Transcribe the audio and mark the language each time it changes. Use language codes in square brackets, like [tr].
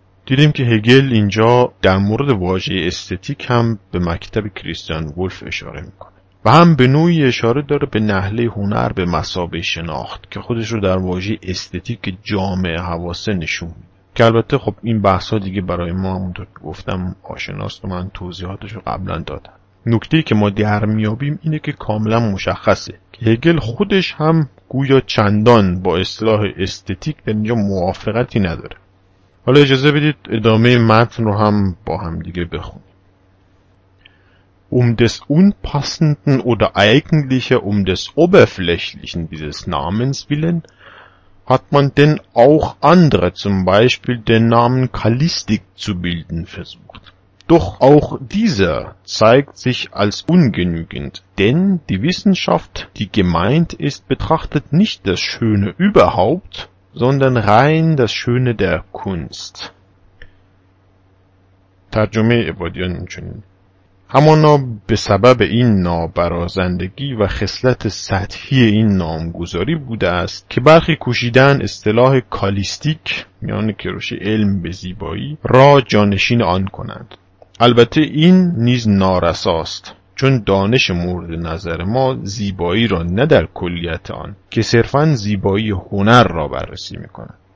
[fa] دیدیم که هگل اینجا در مورد واژه استتیک هم به مکتب کریستیان وولف اشاره میکنه و هم به نوعی اشاره داره به نحله هنر به مثابه شناخت که خودش رو در واژه استتیک جامعه حواسه نشون میده، که البته خب این بحثا دیگه برای ما همونطور که گفتم آشناست و من توضیحاتش رو قبلا دادم. نکته‌ای که ما درمیابیم اینه که کاملا مشخصه که هگل خودش هم گویا چندان با اصطلاح استتیک در اینجا موافقتی نداره. حالا اجازه بدید ادامه متن رو هم با هم دیگه بخونیم. [de] Des Unpassenden oder eigentlicher des Oberflächlichen dieses Namens willen hat man denn auch andere, zum Beispiel den Namen Kallistik zu bilden versucht. Doch auch dieser zeigt sich als ungenügend, denn die Wissenschaft, die gemeint ist, betrachtet nicht das Schöne überhaupt, sondern rein das Schöne der Kunst. [fa] ترجمه عبادیان چنین: همانا به سبب این نابرازندگی و خصلت سطحی این نامگذاری بوده است که برخی کوشیدن اصطلاح کالیستیک یعنی کروش علم به زیبایی را جانشین آن کنند. البته این نیز نارساست، چون دانش مورد نظر ما زیبایی را نه در کلیت آن که صرفاً زیبایی هنر را بررسی می‌کند.